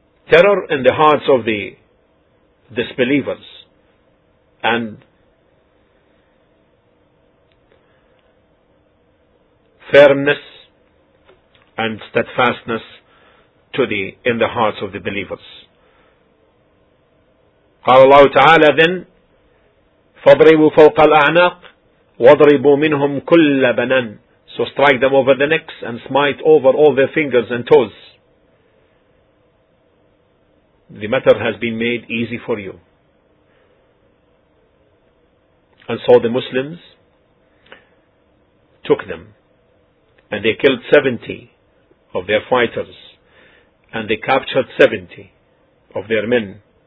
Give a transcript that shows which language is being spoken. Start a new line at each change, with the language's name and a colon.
English: terror in the hearts of the disbelievers. And firmness and steadfastness in the hearts of the believers.
Arabic: قال الله تعالى then فضربوا فوق الأعناق وضربوا منهم كل بنان.
English: So strike them over the necks and smite over all their fingers and toes. The matter has been made easy for you. And so the Muslims took them, and they killed 70 of their fighters, and they captured 70 of their men.